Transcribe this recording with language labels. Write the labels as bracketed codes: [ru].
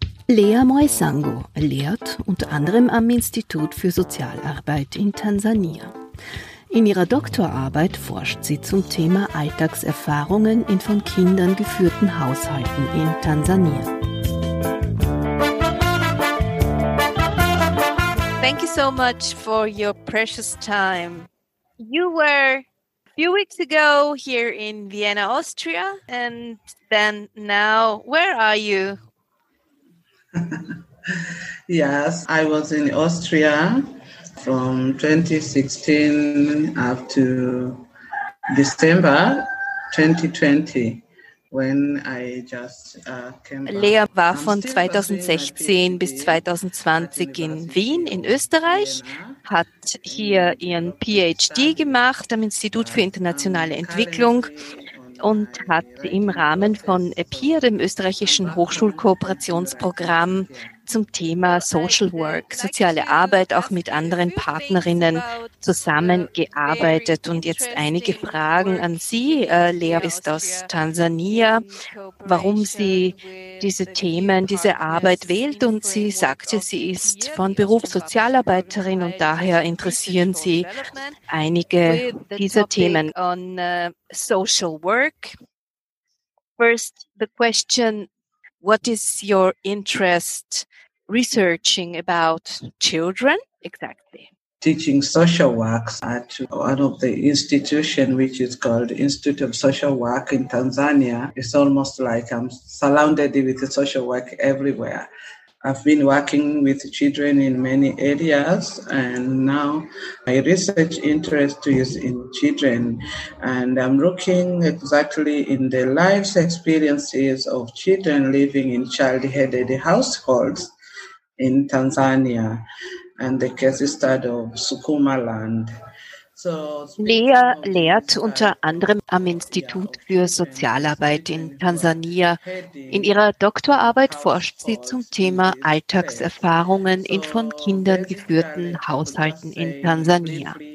[de] Lea Moisango lehrt unter anderem am Institut für Sozialarbeit in Tansania. In ihrer Doktorarbeit forscht sie zum Thema Alltagserfahrungen in von Kindern geführten Haushalten in Tansania. [en] Thank you so much for your precious time. You were a few weeks ago here in Vienna, Austria, and then now, where are you? Yes, I was in Austria from 2016 up to December 2020, when I just came back. [de] Lea war von 2016 bis 2020 in Wien in Österreich, hat hier ihren PhD gemacht am Institut für internationale Entwicklung und hat im Rahmen von EPIR, dem österreichischen Hochschulkooperationsprogramm, zum Thema Social Work, soziale Arbeit, auch mit anderen Partnerinnen zusammengearbeitet. Und jetzt einige Fragen an Sie, Lea ist aus Tansania, warum sie diese Themen, diese Arbeit wählt. Und sie sagte, sie ist von Beruf Sozialarbeiterin und daher interessieren sie einige dieser Themen. [en] On Social Work, first the question: what is your interest researching about children exactly? Teaching social work at one of the institutions, which is called Institute of Social Work in Tanzania. It's almost like I'm surrounded with social work everywhere. I've been working with children in many areas, and now my research interest is in children. And I'm looking exactly in the life experiences of children living in child-headed households in Tanzania and the case study of Sukumaland. [de] Lea lehrt unter anderem am Institut für Sozialarbeit in Tansania. In ihrer Doktorarbeit forscht sie zum Thema Alltagserfahrungen in von Kindern geführten Haushalten in Tansania.